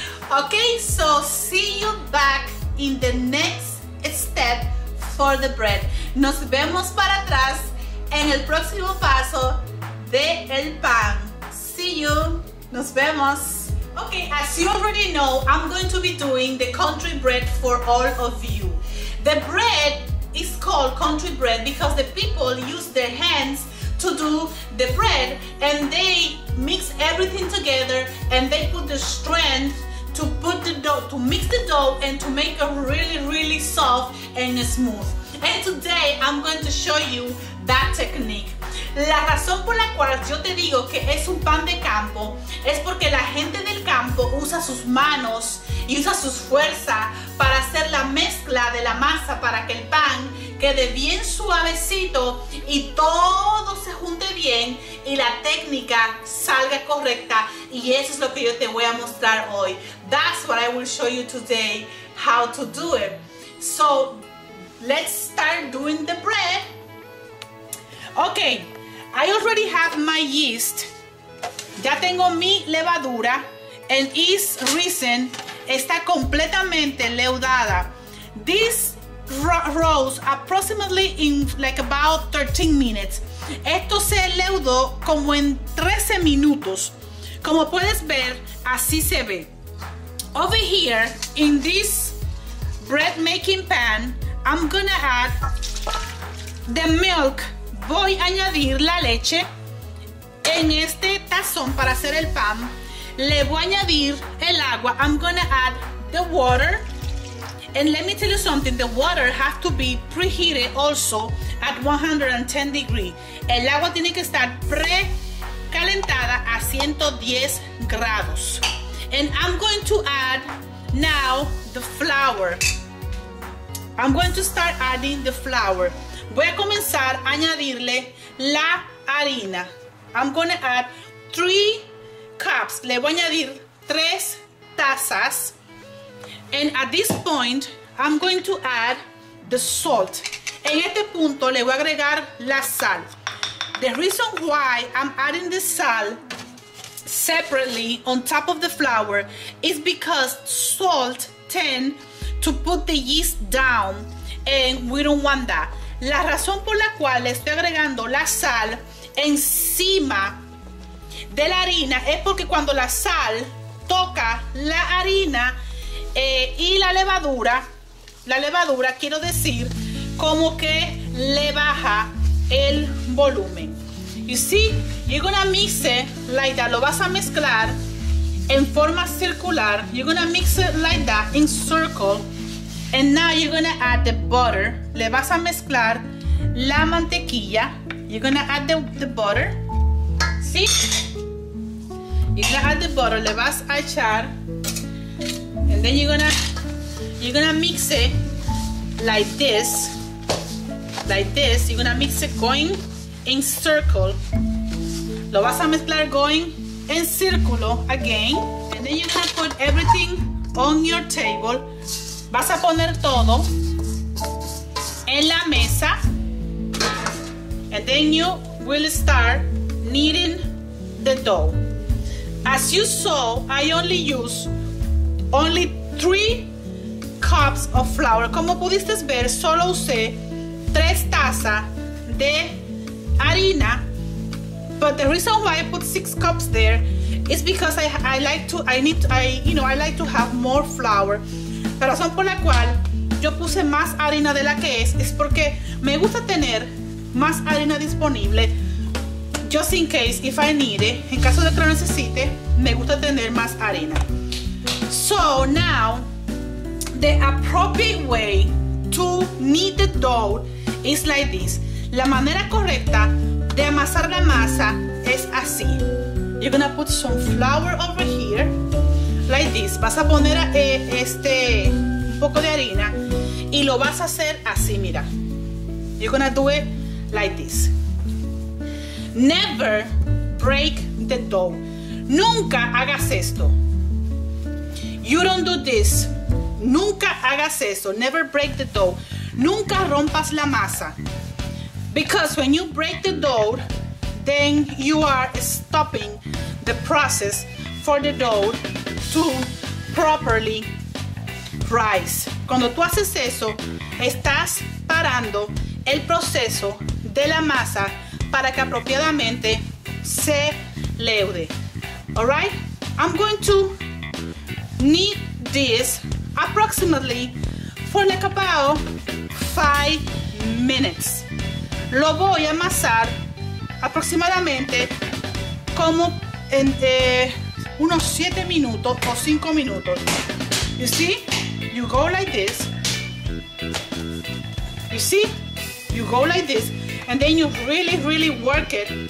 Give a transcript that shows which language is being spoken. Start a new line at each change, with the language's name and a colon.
English: Okay, so see you back in the next step for the bread.
Spanish: Nos vemos para atrás en el próximo paso de el pan.
English: See you.
Spanish: Nos vemos.
English: Okay, as you already know, I'm going to be doing the country bread for all of you. The bread is called country bread because the people use their hands to do the bread and they mix everything together and they put the strength to put the dough, to mix the dough and to make it really, really soft and smooth. And today I'm going to show you that technique.
Spanish: La razón por la cual yo te digo que es un pan de campo es porque la gente del campo usa sus manos y usa sus fuerzas para hacer la mezcla de la masa para que el pan quede bien suavecito y todo se junte bien y la técnica salga correcta. Y eso es lo que yo te voy a mostrar hoy.
English: That's what I will show you today, how to do it. So, let's start doing the bread. Okay, I already have my yeast.
Spanish: Ya tengo mi levadura.
English: And it's risen.
Spanish: Está completamente leudada.
English: This rose approximately in like about 13 minutes.
Spanish: Esto se leudó como en 13 minutos. Como puedes ver, así se ve.
English: Over here, in this bread making pan, I'm gonna add the milk.
Spanish: Voy a añadir la leche en este tazón para hacer el pan. Le voy a añadir el agua.
English: I'm gonna add the water. And let me tell you something, the water has to be preheated also at 110 degrees.
Spanish: El agua tiene que estar precalentada a 110 grados.
English: And I'm going to add now the flour. I'm going to start adding the flour.
Spanish: Voy a comenzar a añadirle la harina.
English: I'm going to add 3 cups.
Spanish: Le voy a añadir 3 tazas.
English: And at this point, I'm going to add the salt.
Spanish: En este punto le voy a agregar la sal.
English: The reason why I'm adding the sal separately on top of the flour is because salt tend to put the yeast down and we don't want that.
Spanish: La razón por la cual le estoy agregando la sal encima de la harina es porque cuando la sal toca la harina y la levadura quiero decir, como que le baja el volumen.
English: You see, you're gonna mix it like that.
Spanish: Lo vas a mezclar en forma circular.
English: You're gonna mix it like that in circle. And now you're gonna add the butter.
Spanish: Le vas a mezclar la mantequilla.
English: You're gonna add the butter. See? You're gonna add the butter.
Spanish: Le vas a echar.
English: And then you're gonna mix it like this. Like this, you're gonna mix it going in circle.
Spanish: Lo vas a mezclar going en círculo again.
English: And then you're gonna put everything on your table.
Spanish: Vas a poner todo en la mesa.
English: And then you will start kneading the dough. As you saw, I only use only 3 cups of flour.
Spanish: Como pudiste ver, solo usé 3 tazas de harina,
English: but the reason why I put 6 cups there is because I like to have more flour.
Spanish: La razón por la cual yo puse más harina de la que es porque me gusta tener más harina disponible,
English: just in case if I need it,
Spanish: en caso de que lo necesite, me gusta tener más harina.
English: So now, the appropriate way to knead the dough is like this.
Spanish: La manera correcta de amasar la masa es así.
English: You're gonna put some flour over here, like this.
Spanish: Vas a poner un poco de harina y lo vas a hacer así, mira.
English: You're gonna do it like this. Never break the dough.
Spanish: Nunca hagas esto.
English: You don't do this.
Spanish: Nunca hagas eso.
English: Never break the dough.
Spanish: Nunca rompas la masa.
English: Because when you break the dough, then you are stopping the process for the dough to properly rise.
Spanish: Cuando tú haces eso, estás parando el proceso de la masa para que apropiadamente se leude.
English: Alright? I'm going to knead this approximately for like about 5 minutes.
Spanish: Lo voy a amasar aproximadamente como entre unos 7 minutos o 5 minutos.
English: You see? You go like this. You see? You go like this. And then you really, really work it.